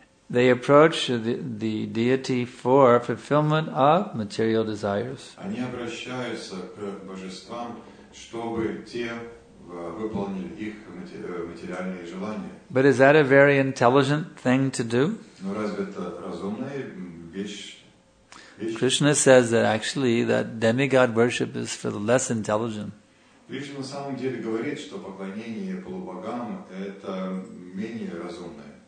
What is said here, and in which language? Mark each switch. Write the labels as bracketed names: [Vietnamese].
[English] They approach the deity for fulfillment of material desires. [Russian] Они обращаются к божествам, чтобы те выполнили их материальные желания. [English] But is that a very intelligent thing to do? [Russian] Но разве это разумная вещь? [English] Krishna says that actually that demigod worship is for the less intelligent. [Russian] Кришна на самом деле говорит, что поклонение полубогам это менее разумное.